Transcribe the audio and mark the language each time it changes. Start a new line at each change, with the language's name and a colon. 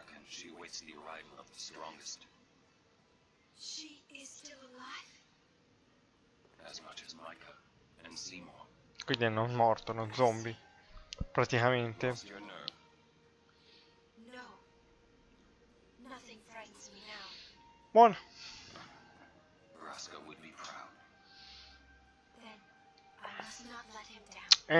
English: She awaits the arrival of the strongest. She is still alive? As much as Micah and Seymour.
Italian: Quindi è non morto, non zombie. Praticamente.
English: No. Nothing frightens me now.
Italian: Buono.
English: Vraska would be proud. Then I must not let him down.